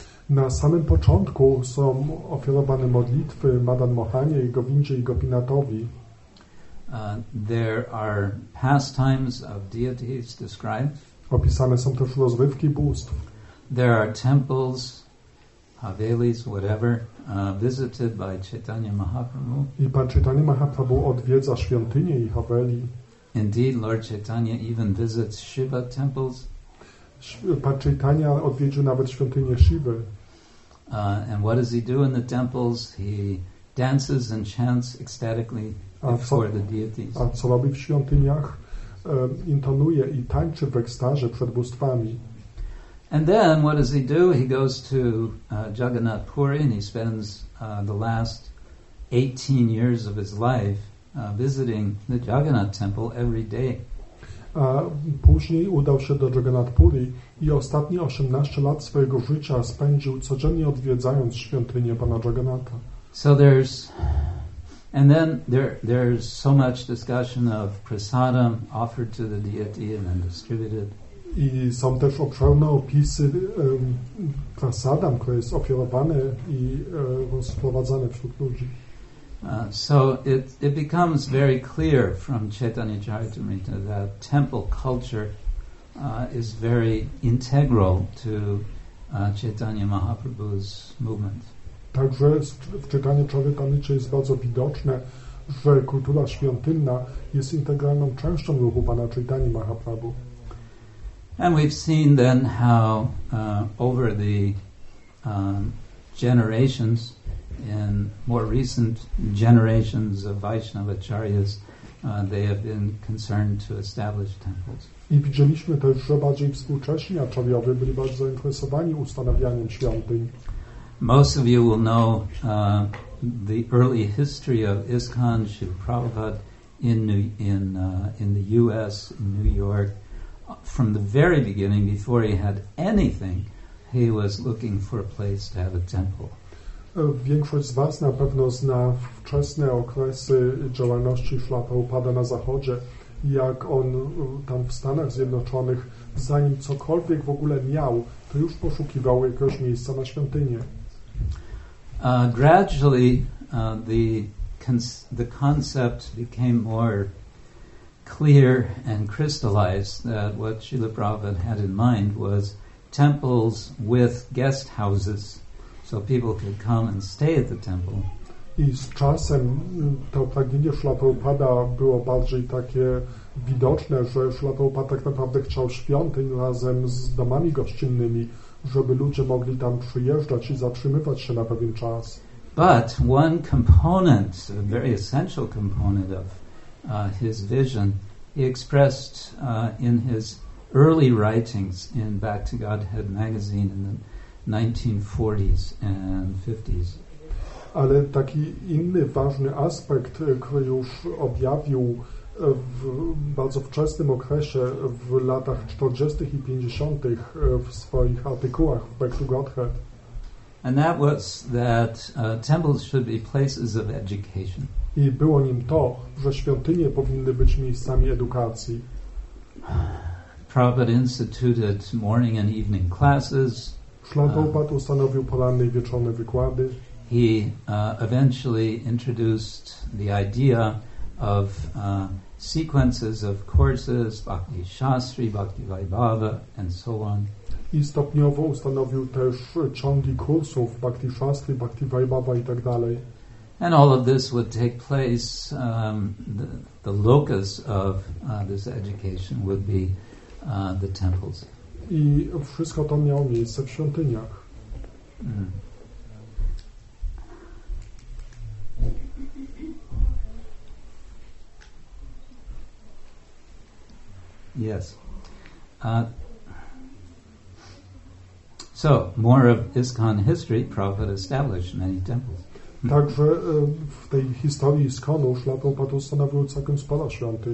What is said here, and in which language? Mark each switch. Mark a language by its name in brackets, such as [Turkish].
[Polish] Na samym początku są ofiarowane modlitwy Madan Mohanie, Govindzie i Gopinathowi. [English] There are pastimes of deities described. [Polish] Opisane są też rozrywki bóstw. [English] There are temples, havelis, whatever, visited by Chaitanya Mahaprabhu. [Polish] I pan Chaitanya Mahaprabhu odwiedza świątynie i haveli. [English] Indeed, Lord Chaitanya even visits Shiva temples. [Polish] Pan Chaitanya odwiedził nawet świątynię Shiva. [English] And what does he do in the temples? He dances and chants ecstatically before the deities. [Polish] A co robi w świątyniach? Intonuje i tańczy w ekstazie przed bóstwami. [English] And then, what does he do? He goes to Jagannath Puri and he spends the last 18 years of his life visiting the Jagannath temple every day. [Polish] Później udał się do Jagannath Puri i ostatnie 18 lat swojego życia spędził codziennie odwiedzając świątynię Pana Jagannatha. [English] So there's so much discussion of prasadam offered to the deity and then distributed. [Polish] I są też obszerne opisy prasadam, które jest ofiarowane i rozprowadzane wśród ludzi. [English] So it becomes very clear from Chaitanya Charitamrita that temple culture is very integral to Chaitanya Mahaprabhu's movement. [Polish] Także w Chaitanya Charitamrita jest bardzo widoczne, że kultura świątynna jest integralną częścią ruchu Pana Chaitanya Mahaprabhu. [English] And we've seen then how over the generations, in more recent generations of Vaishnava Acharyas, they have been concerned to establish temples. [Polish] I widzieliśmy też, że bardziej współcześni Acharyowie byli bardzo zainteresowani ustanawianiem świątyń. [English] Most of you will know the early history of ISKCON, Srila Prabhupada, in the U.S., in New York. From the very beginning, before he had anything, he was looking for a place to have a temple. [Polish] Większość z Was na pewno zna wczesne okresy działalności Srila Prabhupada na Zachodzie, jak on tam w Stanach Zjednoczonych, zanim cokolwiek w ogóle miał, to już poszukiwał jakiegoś miejsca na świątynię. [English] Gradually the concept became more clear and crystallized that what Srila Prabhupada had in mind was temples with guest houses, so people could come and stay at the temple. [Polish] I z czasem to pragnienie Srila Prabhupada było bardziej takie widoczne, że Srila Prabhupada tak naprawdę chciał świątyń razem z domami gościnnymi, żeby ludzie mogli tam przyjeżdżać i zatrzymywać się na pewien czas. [English] But one component, a very essential component of his vision, he expressed in his early writings in Back to Godhead magazine in the 1940s and 50s. [Polish] Ale taki inny ważny aspekt, który już objawił w bardzo wczesnym okresie, w latach 40. i 50. w swoich artykułach w Back to Godhead. [English] And that was that temples should be places of education. [Polish] I było nim to, że świątynie powinny być miejscami edukacji. [English] Prabhupada instituted morning and evening classes. [Polish] Srila Prabhupada ustanowił poranne i wieczorne wykłady. [English] He eventually introduced the idea of sequences of courses, Bhakti Shastri, Bhakti Vaibhava, and so on. [Polish] I stopniowo ustanowił też ciągi kursów Bhakti Shastri, Bhakti Vaibhava i tak dalej. [English] And all of this would take place, the locus of this education would be the temples. [Polish] I wszystko to miało miejsce w świątyniach. Mm. [English] Yes. So, more of ISKCON history, Prabhupada established many temples. [Polish] Także w tej historii ISKCON-u Srila Prabhupada ustanowił całkiem sporo świątyń.